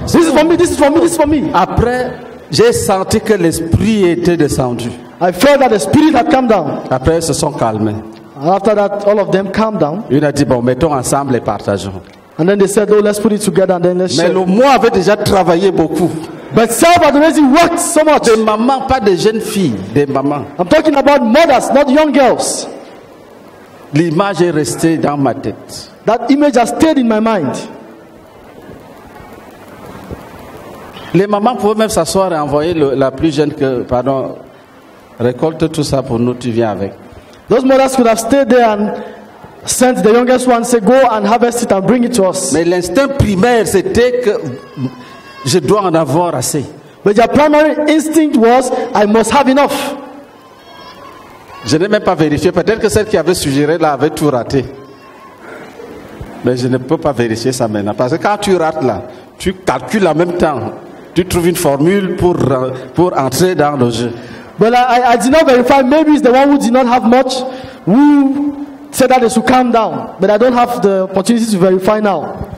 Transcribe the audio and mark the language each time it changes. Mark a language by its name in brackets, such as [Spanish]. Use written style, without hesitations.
[English] This is for me, this is for me, this is for me. [French] Après, j'ai senti que l'esprit était descendu. [English] I felt that the spirit had come down. [French] Après, ils se sont calmés. [English] After that, all of them calmed down. [French] Une a dit, bon, mettons ensemble et partageons. [English] And then they said, oh, let's put it together and then let's [French] Mais [English] share. [French] Mais le moi avait déjà travaillé beaucoup. [English] But self had already worked so much. [French] Des mamans, pas des jeunes filles, des mamans. [English] I'm talking about mothers, not young girls. [French] L'image est restée dans ma tête. [English] That image has stayed in my mind. [French] Les mamans pouvaient même s'asseoir et envoyer la plus jeune que, pardon, récolte tout ça pour nous, tu viens avec. [English] Those mothers could have stayed there and sent the youngest one say, go and harvest it and bring it to us. [French] Mais l'instinct primaire, c'était que je dois en avoir assez. [English] But their primary instinct was, I must have enough. [French] Je n'ai même pas vérifié. Peut-être que celle qui avait suggéré là avait tout raté. Mais je ne peux pas vérifier ça maintenant. Parce que quand tu rates là, tu calcules en même temps. Tu trouves une formule pour entrer dans le jeu. [English] But I did not verify. Maybe it's the one who did not have much who said that they should calm down. But I don't have the opportunity to verify now.